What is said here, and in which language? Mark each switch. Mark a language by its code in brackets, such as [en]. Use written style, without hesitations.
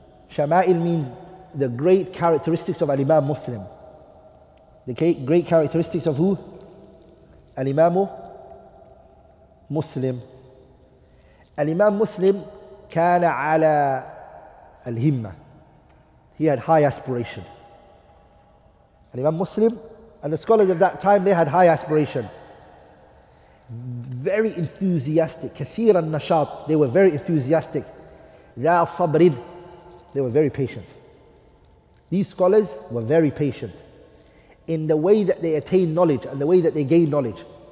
[en] شَمَائِل means the great characteristics of Al-Imam Muslim. The great characteristics of who? Al-Imam Muslim. [ar] Al-Imam Muslim كان على الهمة. [en] He had high aspiration. Al-Imam Muslim and the scholars of that time, they had high aspiration. Very enthusiastic. [ar] كثير النشاط. [en] They were very enthusiastic. [ar] لا صبرين. [en] They were very patient. These scholars were very patient in the way that they attain knowledge and the way that they gain knowledge.